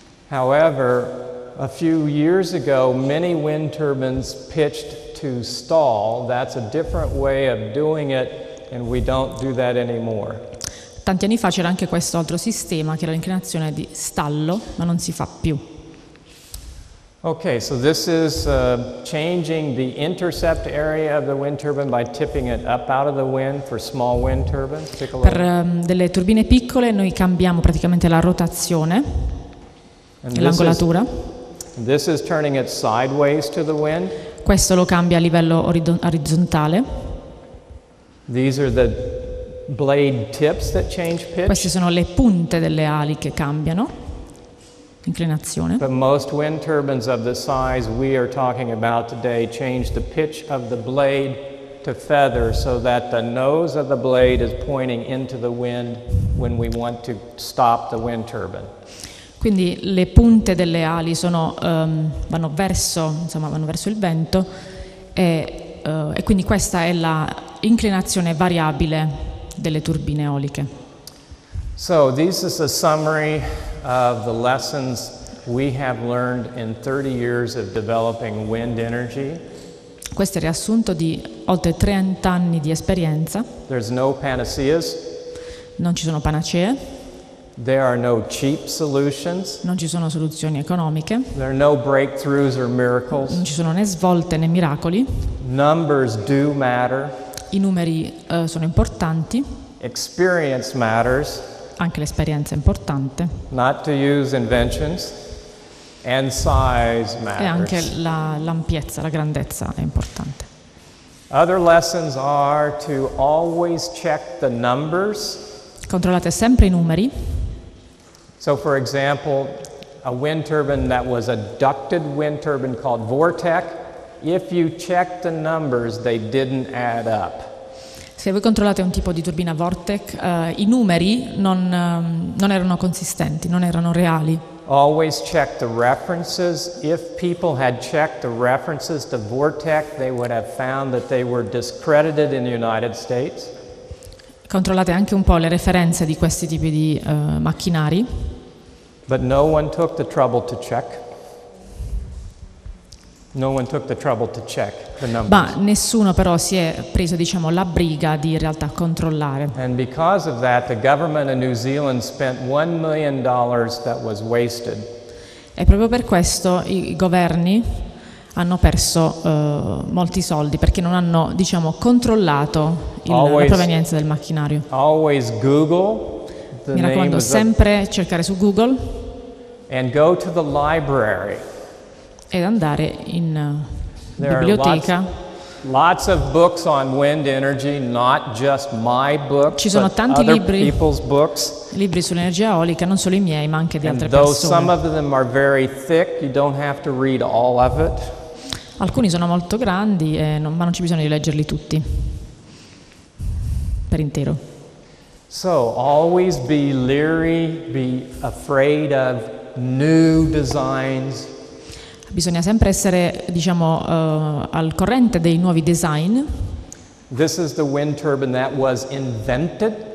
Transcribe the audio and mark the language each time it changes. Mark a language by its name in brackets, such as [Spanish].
[English] However, a few years ago, many wind turbines pitched to stall. That's a different way of doing it, and we don't do that anymore. [Italian] Tanti anni fa c'era anche questo altro sistema, che era l'inclinazione di stallo, ma non si fa più. [English] Okay, so this is changing the intercept area of the wind turbine by tipping it up out of the wind for small wind turbines. [Italian] Per delle turbine piccole noi cambiamo praticamente la rotazione e l'angolatura. [English] This is turning it sideways to the wind. [Italian] Questo lo cambia a livello orizzontale. [English] These are the blade tips that change pitch. [Italian] Queste sono le punte delle ali che cambiano inclinazione. [English] But most wind turbines of the size we are talking about today change the pitch of the blade to feather so that the nose of the blade is pointing into the wind when we want to stop the wind turbine. [Italian] Quindi le punte delle ali sono vanno verso il vento e quindi questa è la inclinazione variabile delle turbine eoliche. [English] So this is a summary of the lessons we have learned in 30 years of developing wind energy. [Italian] Questo è il riassunto di oltre 30 anni di esperienza. [English] There's no panaceas. [Italian] Non ci sono panacee. [English] There are no cheap solutions. [Italian] Non ci sono soluzioni economiche. [English] There are no breakthroughs or miracles. [Italian] Non ci sono né svolte né miracoli. [English] Numbers do matter. [Italian] I numeri sono importanti. [English] Experience matters. [Italian] Anche l'esperienza è importante. [English] Not to use inventions. And size matters. [Italian] E anche l'ampiezza, la grandezza è importante. [English] Other lessons are to always check the numbers. [Italian] Controllate sempre i numeri. [English] So for example, a wind turbine that was a ducted wind turbine called Vortec, if you check the numbers, they didn't add up. [Italian] Se voi controllate un tipo di turbina Vortec, i numeri non erano consistenti, non erano reali. [English] Always check the references. If people had checked the references to Vortec, they would have found that they were discredited in the United States. [Italian] Controllate anche un po' le referenze di questi tipi di macchinari. [English] But no one took the trouble to check. No one took the trouble to check the numbers. [Italian] Ma nessuno però si è preso, diciamo, la briga di in realtà controllare. [English] And because of that, the government of New Zealand spent $1 million that was wasted. [Italian] E proprio per questo i governi hanno perso molti soldi perché non hanno, diciamo, controllato la provenienza del macchinario. [English] Always Google. [Italian] Mi raccomando, sempre cercare su Google. [English] And go to the library. [Italian] Ed andare in biblioteca. [English] Lots of books on wind energy, not just my book. [Italian] Ci sono tanti libri sull'energia eolica, non solo i miei, ma anche di altre persone. [English] Though some of them are very thick, you don't have to read all of it. [Italian] Alcuni sono molto grandi, ma non c'è bisogno di leggerli tutti per intero. [English] So always be leery, be afraid of new designs. [Italian] Bisogna sempre essere, diciamo, al corrente dei nuovi design. [English] This is the wind turbine that was invented.